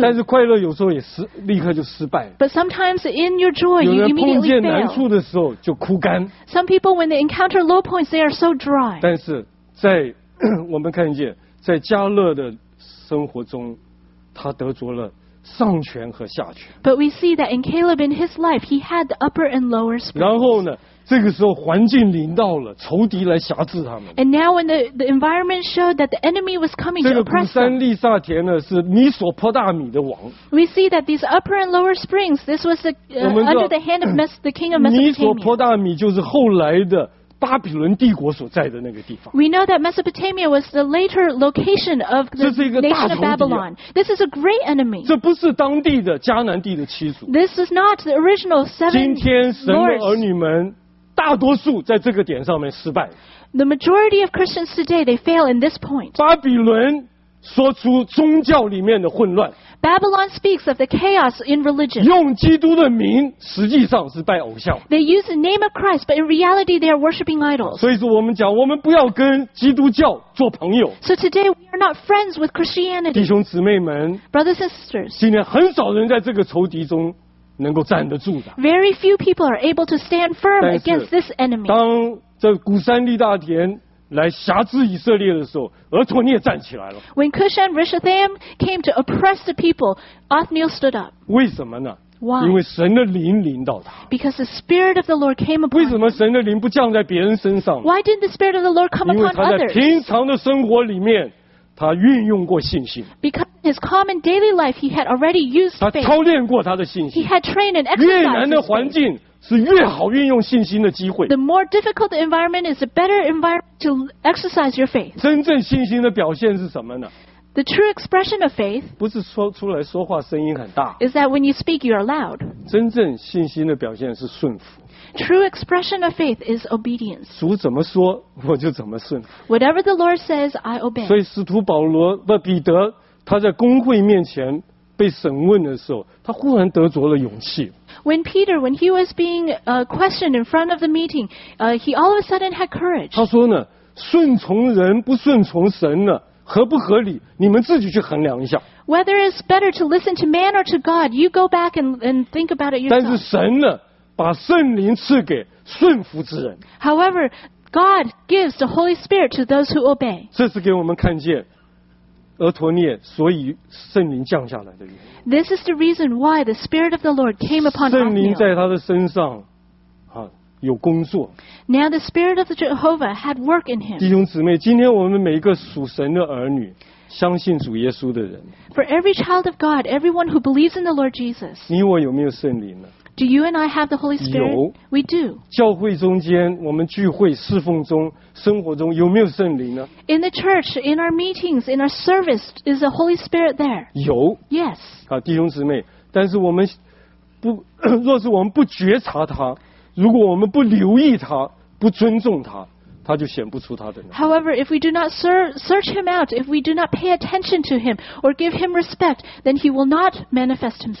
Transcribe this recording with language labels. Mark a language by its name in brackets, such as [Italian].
[Chinese] 但是快乐有时候也失，立刻就失败。 [English] But sometimes in your joy, you immediately fail. [Chinese] 有人碰见难处的时候就枯干。 [English] Some people, when they encounter low points, they are so dry. [Chinese] 但是在我们看见，在迦勒的生活中，他得着了上权和下权。 [English] But we see that in Caleb, in his life, he had the upper and lower springs. [Chinese] 然后呢？这个时候环境临到了，仇敌来辖制他们。 [English] And now when the environment showed that the enemy was coming to oppress them. [Chinese] 这个古山利撒田呢是米索波大米的王。 [English] We see that these upper and lower springs, this was the, under the hand of the king of Mesopotamia. [Chinese] 米索波大米就是后来的巴比伦帝国所在的那个地方。 [English] We know that Mesopotamia was the later location of the nation of Babylon. This is a great enemy. [Chinese] 这不是当地的迦南地的妻族。 [English] This is not the original seven lords. [Chinese] 今天神的儿女们大多数在这个点上面失败。 [English] The majority of Christians today, they fail in this point. [Chinese] 巴比伦说出宗教里面的混乱。 [English] Babylon speaks of the chaos in religion. [Chinese] 用基督的名实际上是拜偶像。 [English] They use the name of Christ, but in reality they are worshipping idols. [Chinese] 所以说我们讲我们不要跟基督教做朋友。 [English] So today we are not friends with Christianity. [Chinese] 弟兄姊妹们。 [English] Brothers and sisters. [Chinese] 今天很少人在这个仇敌中能够站得住的。 [English] Very few people are able to stand firm against this enemy. [Chinese] 当这古山利大田来辖制以色列的时候，俄陀涅站起来了。 [English] When Cushan Rishathaim came to oppress the people, Othniel stood up. [Chinese] 为什么呢？ [English] Why? [Chinese] 因为神的灵临到他。 [English] Because the Spirit of the Lord came upon him. [Chinese] 为什么神的灵不降在别人身上？ [English] Why didn't the Spirit of the Lord come upon others? [Chinese] 因为他在平常的生活里面，他运用过信心。 [English] Because in his common daily life, he had already used faith. [Chinese] 他操练过他的信心。 [English] He had trained and exercised his faith. [Chinese] 越难的环境是越好运用信心的机会。 [English] The more difficult the environment is, the better environment to exercise your faith. [Chinese] 真正信心的表现是什么呢？ [English] The true expression of faith [Chinese] 不是说出来说话声音很大。 [English] Is that when you speak, you are loud. [Chinese] 真正信心的表现是顺服。 [English] True expression of faith is obedience. [Chinese] 主怎么说，我就怎么顺服。 [English] Whatever the Lord says, I obey. [Chinese] 所以使徒保罗不彼得他在公会面前被审问的时候，他忽然得着了勇气。 [English] When Peter, when he was being questioned in front of the meeting, he all of a sudden had courage. [Chinese] 他说呢，顺从人不顺从神呢，合不合理？你们自己去衡量一下。 [English] Whether it's better to listen to man or to God, you go back and think about it yourself. [Chinese] 但是神呢，把圣灵赐给顺服之人。 [English] However, God gives the Holy Spirit to those who obey. [Chinese] 这是给我们看见。俄陀涅所以圣灵降下来的原因。 [English] This is the reason why the Spirit of the Lord came upon Othniel. [Chinese] 圣灵在他的身上啊有工作。 [English] Now the Spirit of the Jehovah had work in him. [Chinese] 弟兄姊妹，今天我们每一个属神的儿女，相信主耶稣的人。 [English] For every child of God, everyone who believes in the Lord Jesus. [Chinese] 你我有没有圣灵呢？ [English] Do you and I have the Holy Spirit? [Chinese] 有。 [English] We do. [Chinese] 教会中间，我们聚会侍奉中，生活中有没有圣灵呢？ [English] In the church, in our meetings, in our service, is the Holy Spirit there? [Chinese] 有。 [English] Yes. [Chinese] 啊，弟兄姊妹，但是我们不，若是我们不觉察他，如果我们不留意他，不尊重他，他就显不出他的。 [English] However, if we do not search him out, if we do not pay attention to him or give him respect, then he will not manifest himself.